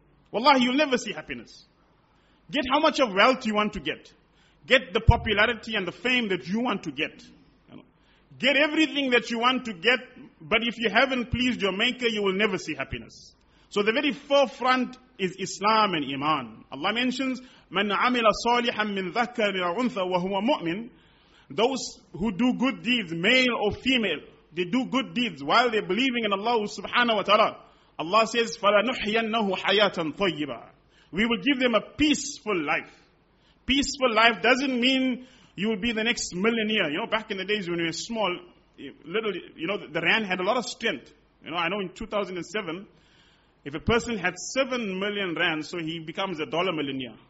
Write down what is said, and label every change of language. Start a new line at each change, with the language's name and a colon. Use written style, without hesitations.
English: Wallahi, you'll never see happiness. Get how much of wealth you want to get. Get the popularity and the fame that you want to get. You know? Get everything that you want to get, but if you haven't pleased your maker, you will never see happiness. So the very forefront is Islam and Iman. Allah mentions,
Arabic: من عمل صالحا من ذكر إلى أنثى وهو مؤمن.
English: Those who do good deeds, male or female, they do good deeds while they're believing in Allah subhanahu wa ta'ala. Allah says,
Arabic: فَلَنُحْيَنَّهُ حَيَاةً طَيِّبًا.
English: We will give them a peaceful life. Peaceful life doesn't mean you will be the next millionaire. You know, back in the days when we were small, little, you know, the rand had a lot of strength. You know, I know in 2007, if a person had 7 million rands, so he becomes a dollar millionaire.